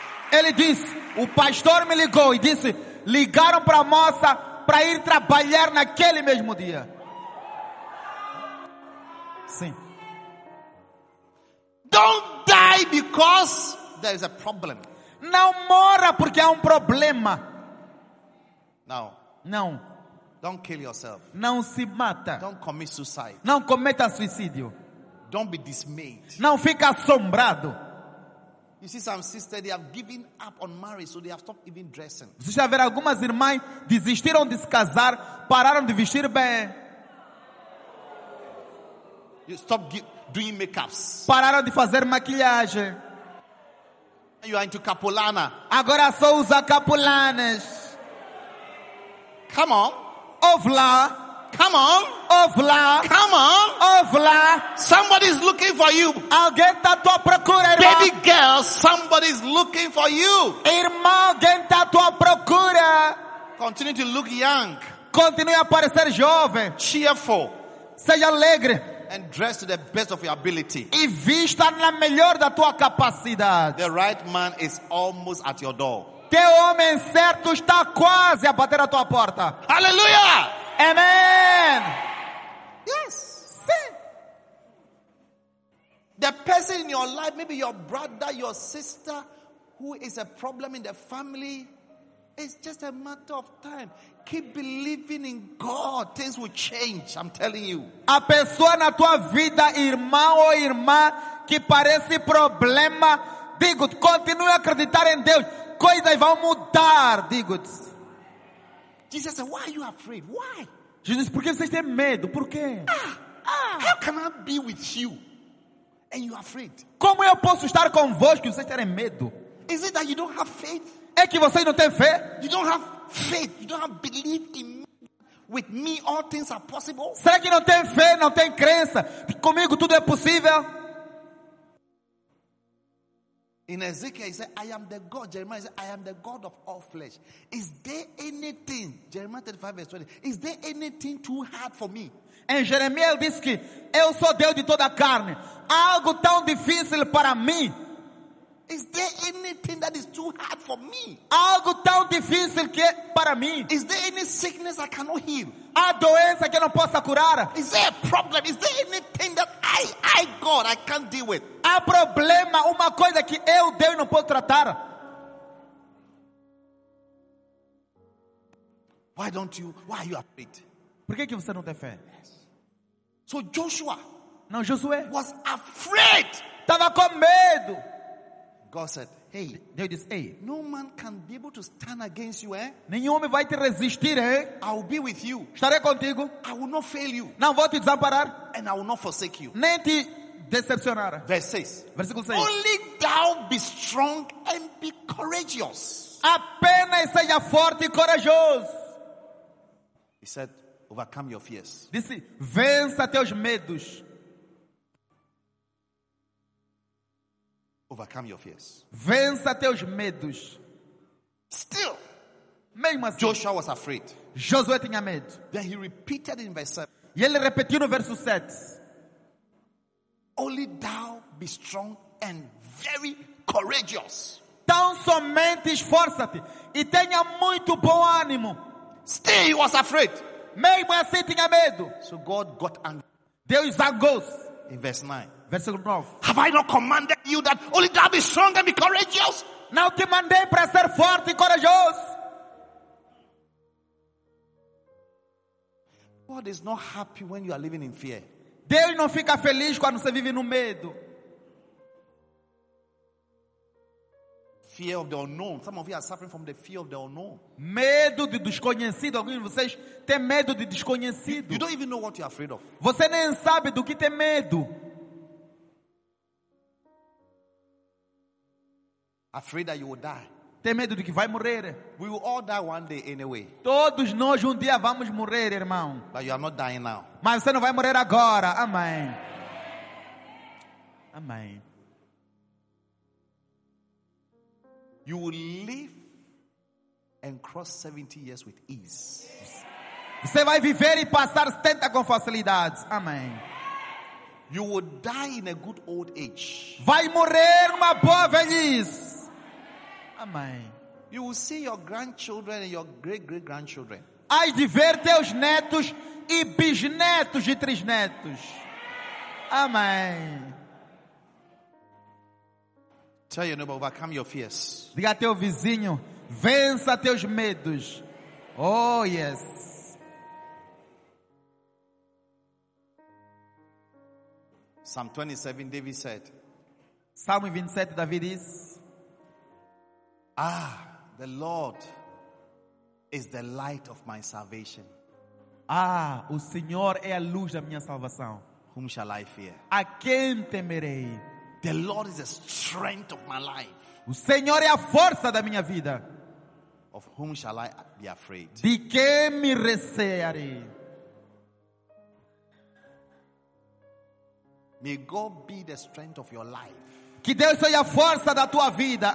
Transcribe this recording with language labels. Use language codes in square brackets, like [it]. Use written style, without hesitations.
[pt] Ele disse, o pastor me ligou e disse, ligaram para a moça para ir trabalhar naquele mesmo dia. Sim. [en] Don't die because there is a problem. [pt] Não morra porque há problema. [en] No. [pt] Não. [en] Don't kill yourself. [pt] Não se mata. [en] Don't commit suicide. [pt] Não cometa suicídio. [en] Don't be dismayed. [pt] Não fica assombrado. [en] You see some sisters, they have given up on marriage, so they have stopped even dressing. [pt] Você já vê algumas irmãs desistiram de se casar, pararam de vestir bem. [en] You stop doing makeups. [pt] Pararam de fazer maquiagem. [en] You are into capulana. [pt] Agora só usa capulanas. [en] Come on. Ofla. Come on. Ofla. Come on. Ofla. Somebody's looking for you. [pt] Alguém tá tua procura, irmã. [en] Baby girl, somebody's looking for you. [pt] Irmã, alguém tá tua procura. [en] Continue to look young. [pt] Continue a parecer jovem. [en] Cheerful. [pt] Seja alegre. [en] And dress to the best of your ability. [pt] E vista na melhor da tua capacidade. [en] The right man is almost at your door. [pt] Teu homem certo está quase a bater a tua porta. Aleluia! Amen. [en] Yes. [pt] Sim. [en] The person in your life, maybe your brother, your sister, who is a problem in the family, it's just a matter of time. Keep believing in God. Things will change, I'm telling you. [pt] A pessoa na tua vida, irmão ou irmã, que parece problema, digo, continue a acreditar em Deus. Coisas vão mudar, digo. [en] Jesus said, why are you afraid? Why? [pt] Jesus, por que vocês têm medo? Por quê? [en] How can I be with you and you are afraid? [pt] Como eu posso estar convosco e vocês terem medo? [en] Is it that you don't have faith? [pt] É que vocês não têm fé? [en] You don't have faith. You don't have belief in me. With me, all things are possible. [pt] Será que não tem fé, não tem crença? Comigo tudo é possível? [en] In Ezekiel, he said, I am the God. Jeremiah said, I am the God of all flesh. Is there anything, Jeremiah 35 verse 20, is there anything too hard for me? [pt] Em Jeremias, ele disse que eu sou Deus de toda a carne. Algo tão difícil para mim. [en] Is there anything that is too hard for me? [pt] Algo tão difícil que para mim. [en] Is there any sickness I cannot heal? [pt] Há doença que eu não possa curar? [en] Is there a problem? Is there anything that I God, I can't deal with? [pt] Há problema, uma coisa que eu, Deus, não posso tratar? [en] Why are you afraid? [pt] Por que você não tem fé? [en] So Joshua. [pt] Não, Josué. [en] Was afraid. [pt] Tava com medo. [en] God said, hey, they just, hey, no man can be able to stand against you, eh? [pt] Nenhum homem vai te resistir, eh? [en] I will be with you. [pt] Estarei contigo. [en] I will not fail you. [pt] Não vou te desamparar. [en] And I will not forsake you. [pt] Nem te decepcionar. [en] Verse 6. [pt] Versículo 6. [en] Only thou be strong and be courageous. [pt] Apenas seja forte e corajoso. [en] He said, overcome your fears. [pt] Disse, vença teus medos. [en] Overcome your fears. [pt] Vença teus medos. [en] Still, [pt] mesmo assim, [en] Joshua was afraid. [pt] Josué tinha medo. [en] Then he repeated in verse 7. [pt] E ele repetiu no verso 7. [en] Only thou be strong and very courageous. [pt] Tão somente esforça-te e tenha muito bom ânimo. [en] Still, he was afraid. [pt] Mesmo assim, tinha medo. [en] So God got angry. [pt] Deus zangou-se. [en] In verse 9. [pt] Versículo 9. [en] Have I not commanded you that only thou be strong and be courageous? [pt] Não te mandei para ser forte e corajoso? [en] God is not happy when you are living in fear. [pt] Deus não fica feliz quando você vive no medo. [en] Fear of the unknown. Some of you are suffering from the fear of the unknown. [pt] Medo de desconhecido. Alguns de vocês têm medo de desconhecido. [en] You don't even know what you are afraid of. [pt] Você nem sabe do que tem medo. [en] Afraid that you will die. [pt] Tem medo de que vai morrer. [en] We will all die one day anyway. [pt] Todos nós um dia vamos morrer, irmão. [en] But you are not dying now. [pt] Mas você não vai morrer agora. Amém. Amém. [en] You will live and cross 70 years with ease. [pt] Você vai viver e passar 70 com facilidade. Amém. [en] You will die in a good old age. [pt] Vai morrer numa boa velhice. [en] You will see your grandchildren and your great-great-grandchildren. [pt] Hás de ver teus netos e bisnetos e trisnetos. Amém. [en] Tell your neighbor, overcome your fears. [pt] Diga a teu vizinho, vença teus medos. [en] Oh, yes. Psalm 27, David said. [pt] Salmo 27, Davi diz. [en] Ah, the Lord is the light of my salvation. [pt] Ah, o Senhor é a luz da minha salvação. [en] Whom shall I fear? [pt] A quem temerei? [en] The Lord is the strength of my life. [pt] O Senhor é a força da minha vida. [en] Of whom shall I be afraid? [pt] De que me recearei? [en] May God be the strength of your life. [pt] Que Deus seja a força da tua vida.